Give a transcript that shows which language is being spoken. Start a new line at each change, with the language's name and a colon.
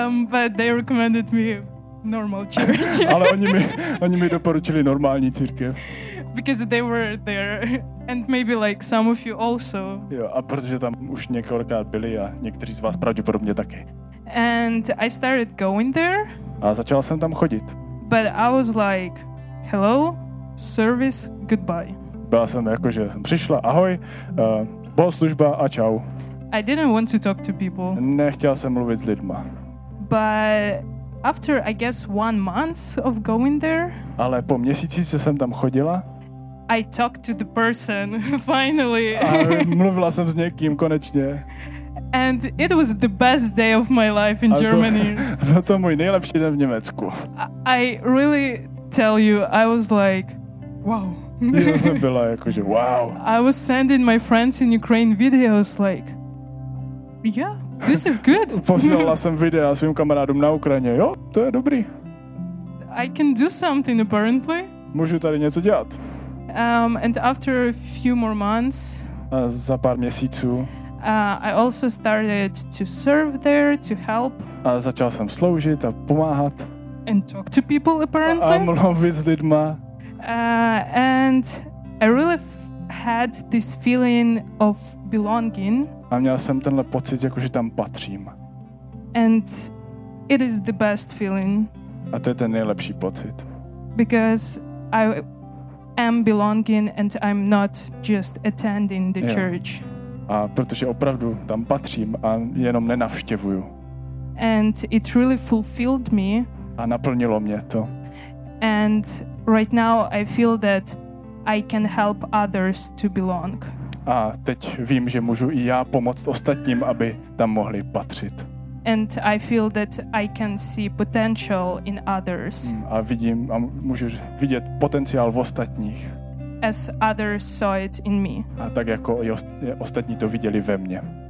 English: but they recommended me normal church.
Czech: Ale oni mi doporučili normální církev.
English: Because they were there And maybe like some of you also.
Czech: Jo, a protože tam už několikrát byli a někteří z vás pravděpodobně taky.
English: And I started going there.
Czech: A začal jsem tam chodit.
English: But I was like, hello, service, goodbye.
Czech: Byla jsem jako, že jsem přišla, ahoj, bohoslužba a čau.
English: I didn't want to talk to people.
Czech: Nechtěla jsem mluvit s lidma.
English: But after, I guess, 1 month of going there.
Czech: Ale po měsíci, co jsem tam chodila.
English: I talked to the person, finally.
Czech: A mluvila jsem s někým, konečně.
English: And it was the best day of my life in Germany.
Czech: Byl to můj nejlepší den v Německu.
English: I really tell you, I was like, wow.
Czech: Jsem byla jakože, wow.
English: I was sending my friends in Ukraine videos like, yeah, this is good.
Czech: Posílala jsem videa svým kamarádům na Ukrajině. Jo, to je dobrý.
English: I can do something apparently.
Czech: Můžu tady něco dělat.
English: And after a few more months.
Czech: A za pár měsíců.
English: I also started to serve there to help.
Czech: A začal jsem sloužit a pomáhat.
English: And talk to people apparently.
Czech: A mluvit s lidma.
English: And I really had this feeling of belonging.
Czech: A měl jsem tenhle pocit, jakože tam patřím.
English: And it is the best feeling.
Czech: A to je ten nejlepší pocit.
English: Because I am belonging and I'm not just attending the church.
Czech: A protože opravdu tam patřím a jenom nenavštěvuju.
English: And it really fulfilled me.
Czech: A naplnilo mě to.
English: And right now I feel that I can help others to belong.
Czech: A teď vím, že můžu i já pomoct ostatním, aby tam mohli patřit.
English: And I feel that I can see potential in others.
Czech: A vidím, a můžu vidět potenciál v ostatních.
English: As others saw it in me.
Czech: A tak jako ostatní to viděli ve mně.